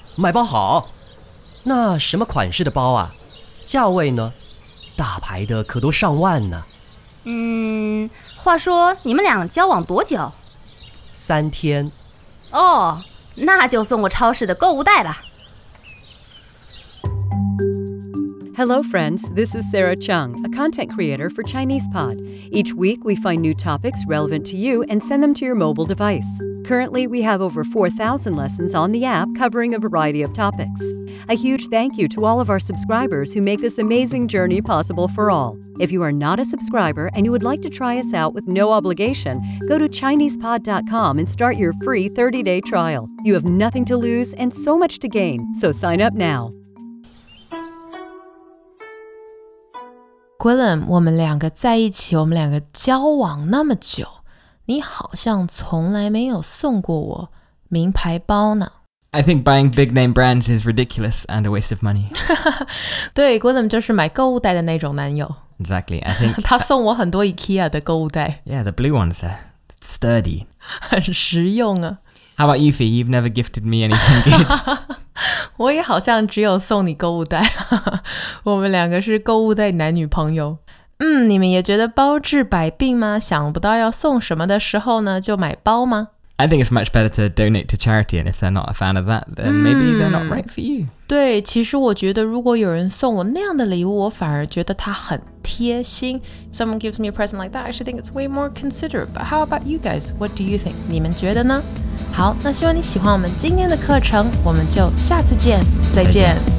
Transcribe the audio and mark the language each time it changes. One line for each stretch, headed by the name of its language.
Chinese: 买包好。那什么款式的包啊？价位呢？大牌的可都上万呢。话说你们俩交往多久？三天。哦，那就送我超市的购物袋吧。
English: Hello, friends. This is Sarah Chung, a content creator for ChinesePod. Each week, we find new topics relevant to you and send them to your mobile device. Currently, we have over 4,000 lessons on the app covering a variety of topics. A huge thank you to all of our subscribers who make this amazing journey possible for all. If you are not a subscriber and you would like to try us out with no obligation, go to ChinesePod.com and start your free 30-day trial. You have nothing to lose and so much to gain, so sign up now.
Chinese: Quillen, 我们两个在一起，我们两个交往那么久，你好像从来没有送过我名牌包呢。
English: I think buying big name brands is ridiculous and a waste of money.
Chinese: 对 ,Quillen 就是买购物袋的那种男友。
English: Exactly, I think...
Chinese: 他送我很多 IKEA 的购物袋。
English: Yeah, the blue ones are sturdy.
Chinese: 很实用啊。
English: How about you, Fee? You've never gifted me anything good.
Chinese: 我也好像只有送你购物袋，我们两个是购物袋男女朋友。你们也觉得包治百病吗？想不到要送什么的时候呢，就买包吗？
English: I think it's much better to donate to charity, and if they're not a fan of that, then maybe they're not right for you.
Chinese: 对，其实我觉得如果有人送我那样的礼物，我反而觉得他很贴心。
English: Someone gives me a present like that, I actually think it's way more considerate. But how about you guys? What do you think?
Chinese: 你们觉得呢？好，那希望你喜欢我们今天的课程，我们就下次见，再见。